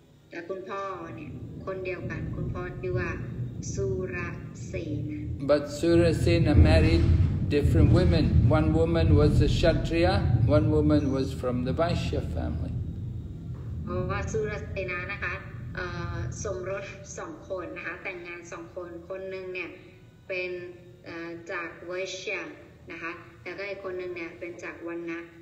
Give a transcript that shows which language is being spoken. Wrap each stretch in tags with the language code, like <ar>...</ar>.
<th>แต่คุณพ่อเนี่ยคนเดียวกันคุณพ่อชื่อว่าสุราเสน</th> <en>but Surasena married different women one woman was a Kshatriya one woman was from the Vaishya family</en> <th>วาสุราเสนานะคะสมรสสองคนนะคะแต่งงานสองคนคนหนึ่งเนี่ยเป็นจากเวชยะนะคะแล้วก็อีกคนหนึ่งเนี่ยเป็นจากวันนะ</th>